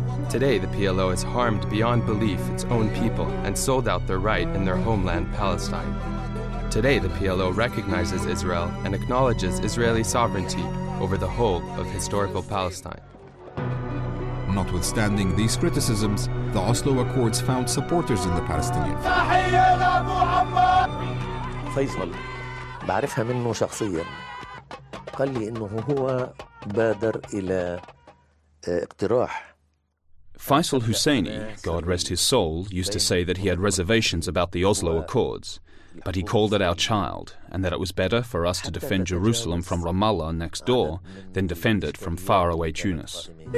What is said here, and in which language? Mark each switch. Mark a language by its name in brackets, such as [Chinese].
[English] Today, the PLO has harmed beyond belief its own people and sold out their right in their homeland, Palestine. Today, the PLO recognizes Israel and acknowledges Israeli sovereignty over the whole of historical Palestine. Notwithstanding these criticisms, the Oslo Accords found supporters in the Palestinians. [Arabic] فيصل بعرفها منه شخصيا قال لي انه هو بادر الى اقتراح. [English] Faisal Husseini, God rest his soul, used to say that he had reservations about the Oslo Accords, but he called it our child and that it was better for us to defend Jerusalem from Ramallah next door than defend it from far away Tunis.